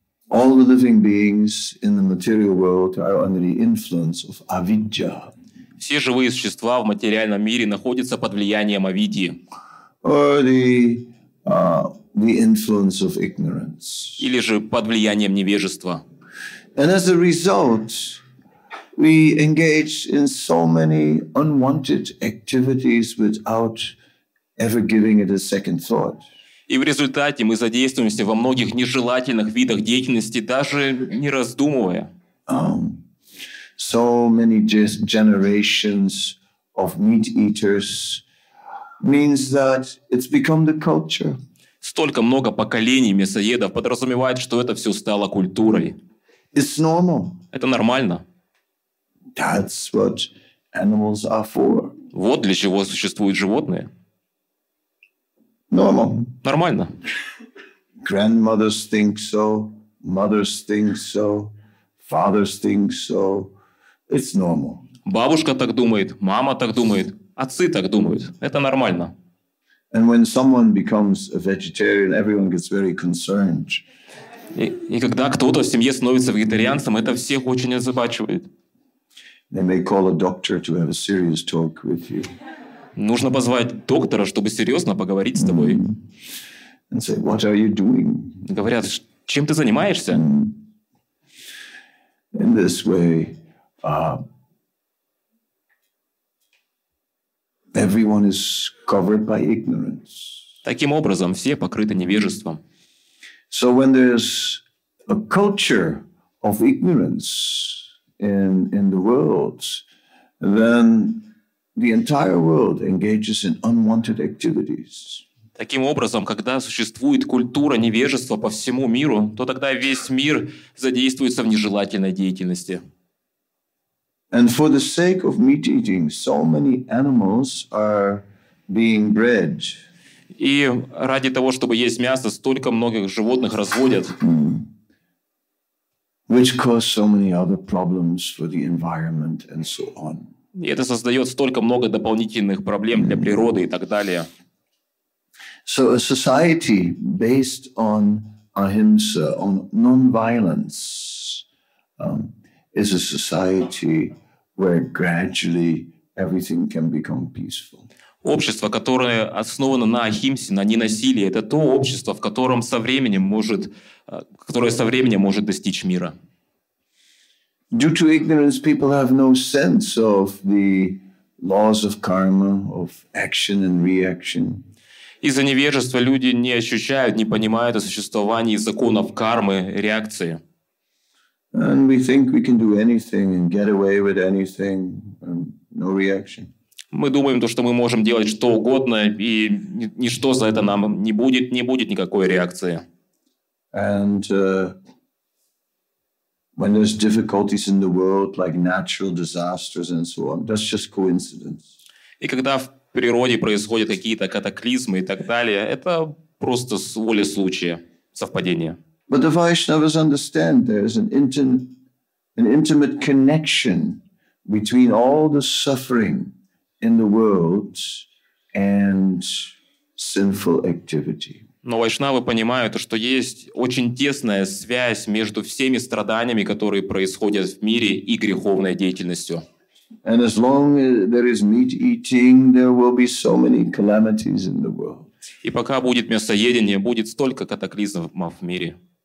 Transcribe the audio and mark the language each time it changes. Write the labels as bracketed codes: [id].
[en] All the living beings in the material world are under the influence of avidya. [ru] Все живые существа в материальном мире находятся под влиянием авидьи. [en] Or the influence of ignorance. [ru] Или же под влиянием невежества. [en] And as a result, we engage in so many unwanted activities without ever giving it a second thought. [ru] И в результате мы задействуемся во многих нежелательных видах деятельности, даже не раздумывая. [en] So many generations of meat eaters means that it's become the culture. [ru] Столько много поколений мясоедов подразумевает, что это все стало культурой. [en] It's normal. [ru] Это нормально. [en] That's what animals are for. [ru] Вот для чего существуют животные. [en] Normal. [ru] Нормально. [en] Grandmothers think so, mothers think so, fathers think so. It's normal. [ru] Бабушка так думает, мама так думает, отцы так думают. Это нормально. [en] And when someone becomes a vegetarian, everyone gets very concerned. [ru] И когда кто-то в семье становится вегетарианцем, это всех очень озабачивает. [en] They may call a doctor to have a serious talk with you. [ru] Нужно позвать доктора, чтобы серьезно поговорить с тобой. [en] And say, what are you doing? [ru] Говорят, чем ты занимаешься? [en] In this way, everyone is covered by ignorance. [ru] Таким образом, все покрыты невежеством. [en] So when there's a culture of ignorance in the world, then the entire world engages in unwanted activities. [ru] Таким образом, когда существует культура невежества по всему миру, то тогда весь мир задействуется в нежелательной деятельности. [en] And for the sake of meat eating, so many animals are being bred. [ru] И ради того, чтобы есть мясо, столько многих животных разводят. [en] Which causes so many other problems for the environment and so on. [ru] И это создает столько много дополнительных проблем для природы и так далее. [en] So a society based on ahimsa, on non-violence, is a society where gradually everything can become peaceful. [ru] Общество, которое основано на ахимсе, на ненасилии, это то общество, в котором со временем может, которое со временем может достичь мира. [en] Due to ignorance, people have no sense of the laws of karma, of action and reaction. [ru] Из-за невежества люди не ощущают, не понимают о существовании законов кармы, реакции. [en] And we think we can do anything and get away with anything, and no reaction. [ru] Мы думаем, то, что мы можем делать что угодно, и ничто за это нам не будет, не будет никакой реакции. [en] And when there's difficulties in the world, like natural disasters and so on, that's just coincidence. [ru] И когда в природе происходят какие-то катаклизмы и так далее, это просто воля случая, совпадение. [en] But the Vaishnavas understand there is an intimate connection between all the suffering in the world and sinful activity. [ru] Но вайшнавы понимают, что есть очень тесная связь между всеми страданиями, которые происходят в мире, и греховной деятельностью. [en] And as long as there is meat eating, there will be so many calamities in the world. [ru] И пока будет мясоедение, будет столько катаклизмов в мире.